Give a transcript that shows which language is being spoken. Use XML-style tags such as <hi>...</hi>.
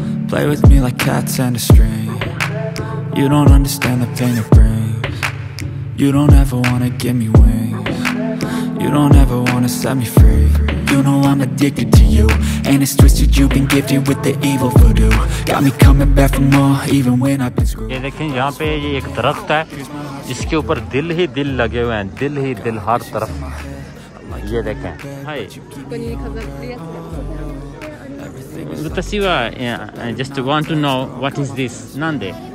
<en>Play with me like cats and a string. You don't understand the pain it brings. You don't ever wanna give me wings. You don't ever wanna set me free. You know I'm addicted to you. And it's twisted, you've been gifted with the evil voodoo. Got me coming back for more, even when I've been screwed.</en> <hi>ये देखें यहाँ पे ये एक दरख्त है जिसके ऊपर दिल ही दिल लगे हुए हैं, दिल ही दिल हर तरफ. ये देखें</hi> <en>Hi रुतसीवा, I just want to know what is this नंदे.</en>